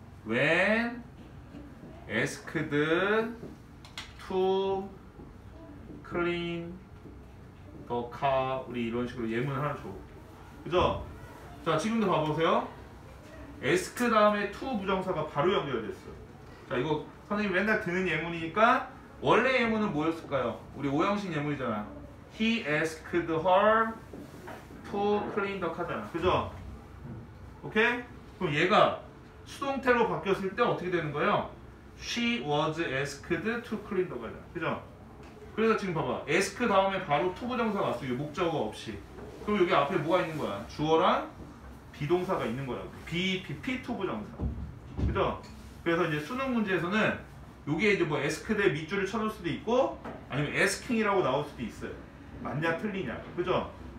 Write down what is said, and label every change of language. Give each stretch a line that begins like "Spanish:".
English: When asked to clean the car.
Korean: 우리 이런 식으로 예문을 하나 줘. 그죠? 자, 지금도 봐보세요. ask 다음에 to 부정사가 바로 연결됐어요. 자, 이거 선생님 맨날 드는 예문이니까 원래 예문은 뭐였을까요? 우리 5형식 예문이잖아.
English: He asked her to clean the car.
Korean: 그죠? 오케이? 그럼 얘가 수동태로 바뀌었을 때 어떻게 되는 거예요?
English: She was asked to clean the car.
Korean: 그죠? 그래서 지금 봐봐. ask 다음에 바로 to 부정사가 왔어요. 목적어 없이. 그럼 여기 앞에 뭐가 있는 거야? 주어랑 비동사가 있는 거라고. be, pp, to 부정사. 그죠? 그래서 이제 수능 문제에서는 요게 이제 뭐 ask대 밑줄을 쳐줄 수도 있고 아니면 asking이라고 나올 수도 있어요. 맞냐 틀리냐. 그죠?